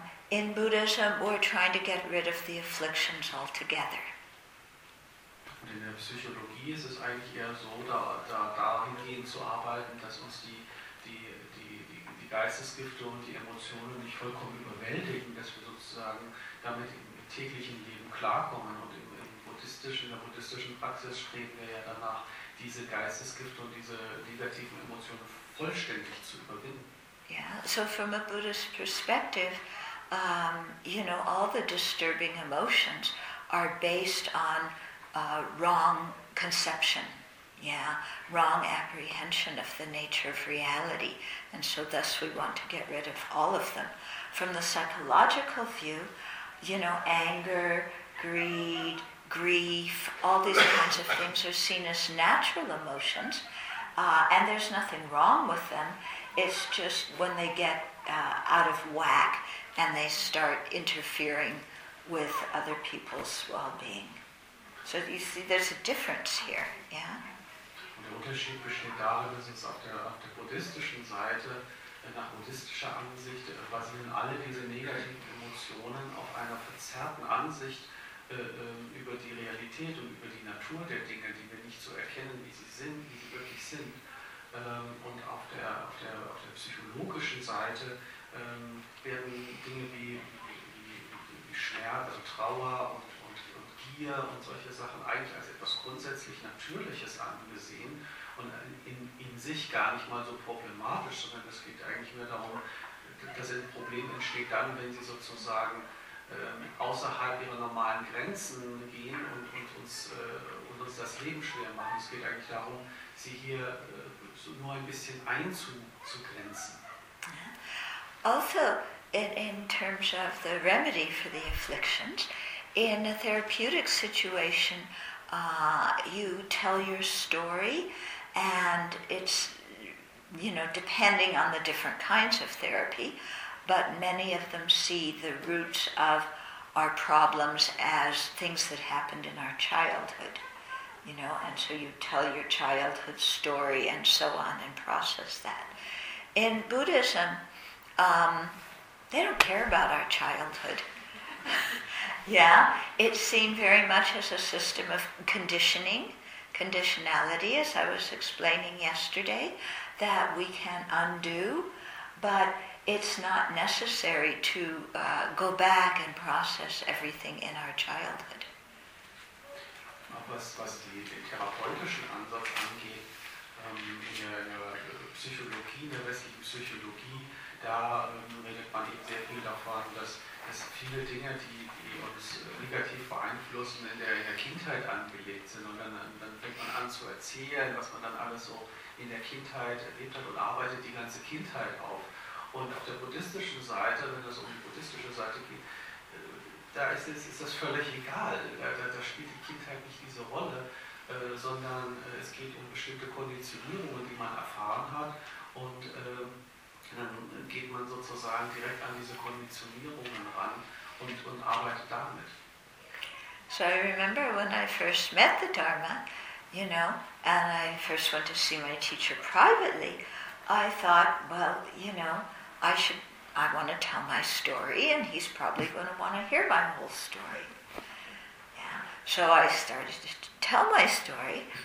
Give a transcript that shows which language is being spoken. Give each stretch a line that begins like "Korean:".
English: In Buddhism, we're trying to get rid of the afflictions altogether.
German: Und in der Psychologie ist es eigentlich eher so, da dahingehend zu arbeiten, dass uns die Geistesgifte und die Emotionen nicht vollkommen überwältigen, dass wir sozusagen damit im täglichen Leben klarkommen. Und in der buddhistischen Praxis streben wir ja danach, diese Geistesgifte und diese negativen Emotionen vollständig zu überwinden.
English: Ja, yeah, so from a Buddhist perspective, you know, all the disturbing emotions are based on wrong conception, yeah, wrong apprehension of the nature of reality, and so thus we want to get rid of all of them. From the psychological view, you know, anger, greed, grief, all these kinds of things are seen as natural emotions, and there's nothing wrong with them. It's just when they get out of whack and they start interfering with other people's well-being. So you see, there's a difference here, yeah?
German: Und der Unterschied besteht darin, dass es auf der buddhistischen Seite, nach buddhistischer Ansicht, basieren alle diese negativen Emotionen auf einer verzerrten Ansicht über die Realität und über die Natur der Dinge, die wir nicht so erkennen, wie sie sind, wie sie wirklich sind. Und auf der psychologischen Seite werden Dinge wie Schmerz, also Trauer und Gier und solche Sachen eigentlich als etwas grundsätzlich Natürliches angesehen und in sich gar nicht mal so problematisch, sondern es geht eigentlich nur darum, dass ein Problem entsteht dann, wenn sie sozusagen außerhalb ihrer normalen Grenzen gehen und uns das Leben schwer machen. Es geht eigentlich darum, sie hier so nur ein bisschen einzugrenzen.
English: Also in terms of the remedy for the afflictions, in a therapeutic situation, you tell your story, and it's, you know, depending on the different kinds of therapy, but many of them see the roots of our problems as things that happened in our childhood, you know, and so you tell your childhood story and so on and process that. In Buddhism, they don't care about our childhood. Yeah, it's seen very much as a system of conditionality, as I was explaining yesterday, that we can undo, but it's not necessary to go back and process everything in our childhood.
German: Was den therapeutischen Ansatz angeht, in der Psychologie, in der westlichen Psychologie, da redet man eben sehr viel davon, dass viele Dinge, die uns negativ beeinflussen, in der Kindheit angelegt sind. Und dann fängt man an zu erzählen, was man dann alles so in der Kindheit erlebt hat und arbeitet die ganze Kindheit auf. Und auf der buddhistischen Seite, wenn es um die buddhistische Seite geht, da ist das völlig egal. Da spielt die Kindheit nicht diese Rolle, sondern es geht um bestimmte Konditionierungen, die man erfahren hat. Und dann geht man sozusagen direkt an diese Konditionierungen ran und arbeitet damit.
English: So I remember when I first met the Dharma, you know, and I first went to see my teacher privately, I thought, well, you know, I want to tell my story, and he's probably going to want to hear my whole story. Yeah. So I started to tell my story.